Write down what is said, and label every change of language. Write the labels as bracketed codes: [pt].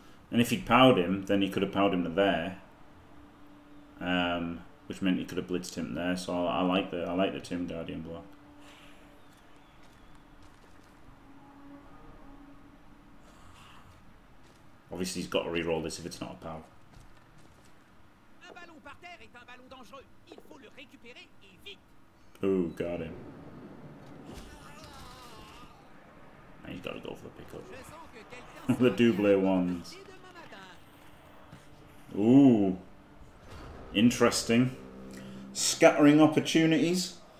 [en] And if he powered him, then he could have powered him to there. Which meant he could have blitzed him there. So I like the Tim Guardian block. Obviously, he's got to reroll this if it's not a power. [fr] Un ballon par terre est un ballon dangereux. Il faut le récupérer et vite. [en] Ooh, got him. And he's got to go for the pickup. The double ones. Ooh. Interesting. Scattering opportunities.